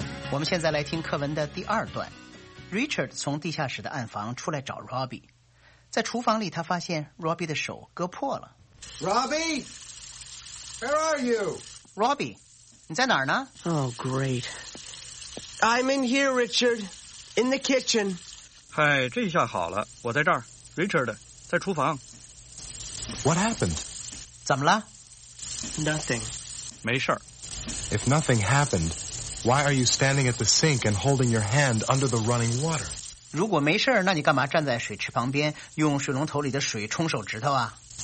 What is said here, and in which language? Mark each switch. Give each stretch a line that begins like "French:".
Chinese: 我们现在来听课文的第二段。Richard 从地下室的暗房出来找 Robbie。在厨房里，他发现 Robbie 的手割破了。
English: Robbie, where are you?
Chinese: Robbie, 你在哪儿呢
English: ？Oh, great. I'm in here, Richard, in the kitchen.
Chinese: 嗨，这下好了，我在这儿。 Richard, 在厨房。
English: What happened?
Chinese: 怎么了
English: ？Nothing.
Chinese: 没事儿。
English: If nothing happened, why are you standing at the sink and holding your hand under the running water?
Chinese: 如果没事儿，那你干嘛站在水池旁边用水龙头里的水冲手指头啊